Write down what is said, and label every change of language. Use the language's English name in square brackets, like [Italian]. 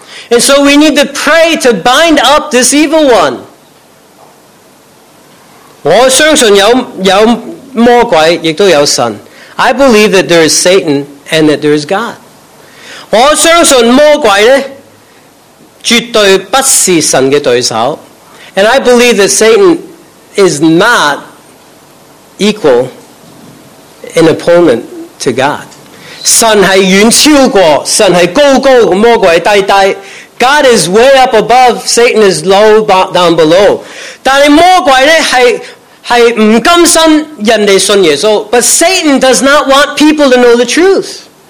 [English] and so we need to pray to bind up this evil one. [Cantonese] 我相信有魔鬼，亦都有神。 [English] I believe that there is Satan and that there is God. [Cantonese] 我相信魔鬼呢，绝对不是神的对手。 [English] And I believe that Satan is not equal, an opponent to God. [Cantonese] 神是远超过，神是高高，魔鬼低低。 [English] God is way up above, Satan is low down below. [Cantonese] 但是魔鬼呢，是不甘心人家信耶稣。 [English] But Satan does not want people to know the truth.